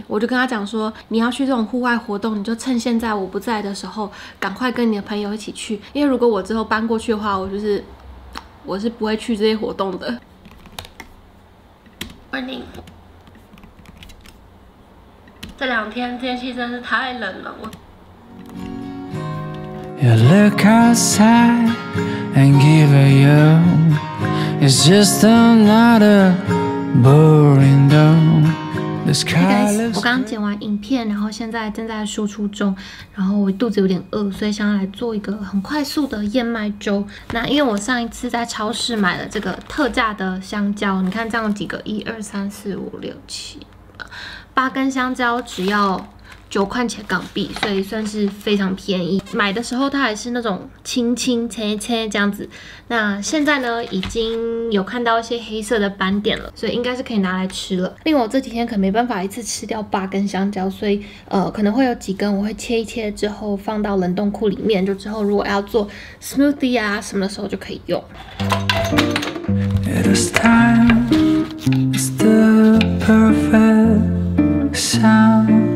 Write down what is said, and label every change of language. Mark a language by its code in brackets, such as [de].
[zh] 我就跟他讲说，你要去这种户外活动，你就趁现在我不在的时候，赶快跟你的朋友一起去，因为如果我之后搬过去的话，我是不会去这些活动的。 [en] Morning。 [zh] 这两天天气真是太冷了， [en] You look outside and give a yell. It's just another boring dawn. The sky looks blue. [zh] 我刚剪完影片，然后现在正在输出中，然后我肚子有点饿，所以想要来做一个很快速的燕麦粥。那因为我上一次在超市买了这个特价的香蕉，你看这样几个，1、2、3、4、5、6、7、8根香蕉只要9块钱港币，所以算是非常便宜。买的时候它还是那种轻轻切切这样子，那现在呢已经有看到一些黑色的斑点了，所以应该是可以拿来吃了。另外我这几天可能没办法一次吃掉8根香蕉，所以可能会有几根我会切一切之后放到冷冻库里面，就之后如果要做 smoothie 啊什么的时候就可以用。 [en] It is time, it's the perfect sound.